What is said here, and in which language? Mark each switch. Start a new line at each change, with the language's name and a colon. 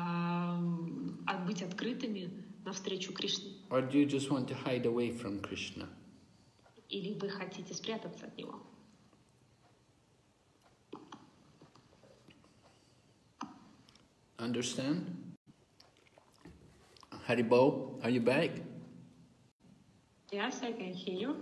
Russian: Хотите ли вы быть открытыми навстречу Кришне?
English: Or do you just want to hide away from Krishna?
Russian: Или вы хотите спрятаться от него?
English: Understand? Haribo, are you back? Yes, I can hear you.